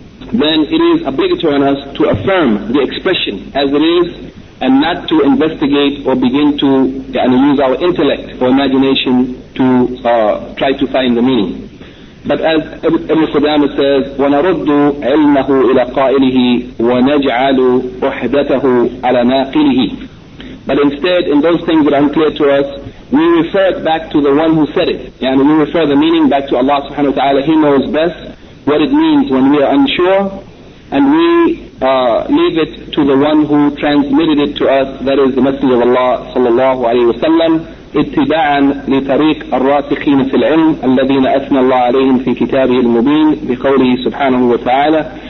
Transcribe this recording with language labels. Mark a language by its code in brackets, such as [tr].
[en] then it is obligatory on us to affirm the expression as it is and not to investigate or begin to use our intellect or imagination to try to find the meaning. But as Ibn Qudama says, [ar] وَنَرُدُّ عِلْمَهُ إِلَىٰ قَائِلِهِ وَنَجْعَلُ أُحْدَتَهُ عَلَىٰ نَاقِلِهِ. [en] But instead, in those things that are unclear to us, we refer it back to the one who said it. And we refer the meaning back to Allah [ar] subhanahu wa ta'ala. [en] He knows best what it means when we are unsure, and we leave it to the one who transmitted it to us, that is the Messenger of Allah [ar] sallallahu alayhi wa sallam, اتباعاً لطريق الراسخين في العلم الذين أثنى الله عليهم في كتابه المبين بقوله سبحانه وتعالى.